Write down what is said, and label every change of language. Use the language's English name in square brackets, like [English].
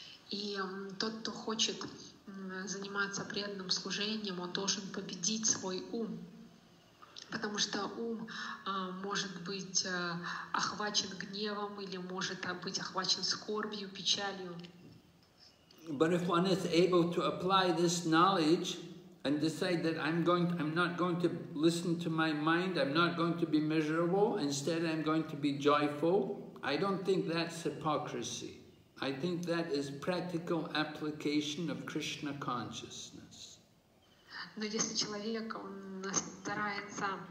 [Russian] И тот, кто хочет заниматься преданным служением, он должен победить свой ум, потому что ум может быть охвачен гневом или может быть охвачен скорбью, печалью. [English] But if one is able to apply this knowledge and decide that I'm not going to listen to my mind, I'm not going to be miserable, instead I'm going to be joyful, I don't think that's hypocrisy. I think that is practical application of Krishna consciousness. [Russian] Но если человек старается...